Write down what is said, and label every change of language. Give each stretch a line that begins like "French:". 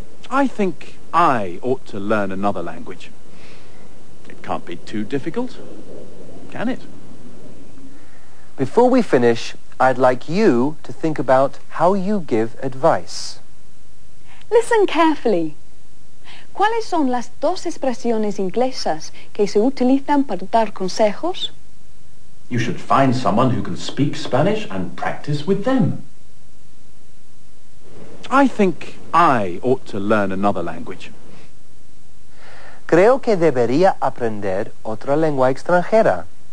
English: I think I ought to learn another language. It can't be too difficult, can it? Before we finish, I'd like you to think about how you give advice. Listen carefully.
Spanish: ¿Cuáles son las dos expresiones inglesas que se utilizan para dar consejos?
English: You should find someone who can speak Spanish and practice with them. I think I ought to learn another language.
Spanish: Creo que debería aprender otra lengua extranjera.